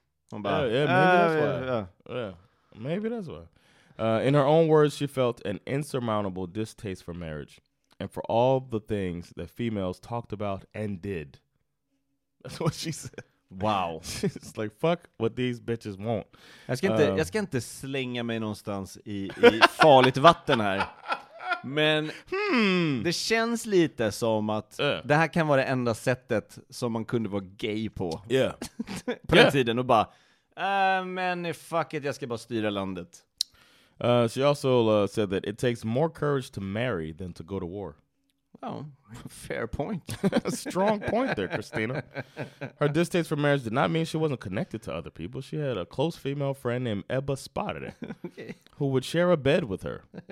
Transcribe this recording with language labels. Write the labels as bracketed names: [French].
[Swedish] Hon bara, [English] yeah, maybe that's why. In her own words, she felt an insurmountable distaste for marriage and for all the things that females talked about and did. That's what she said. Wow. It's like, fuck what these bitches want. [Swedish] Jag ska inte slänga mig någonstans i farligt vatten här. Men det känns lite som att det här kan vara det enda sättet som man kunde vara gay på. [English] Yeah. [Swedish] På den tiden och bara, men [English] fuck it, [Swedish] jag ska bara styra landet. [English] She also said that it takes more courage to marry than to go to war. Well, fair point. Strong point there, Kristina. Her distaste for marriage did not mean she wasn't connected to other people. She had a close female friend named Ebba Spotted, who would share a bed with her.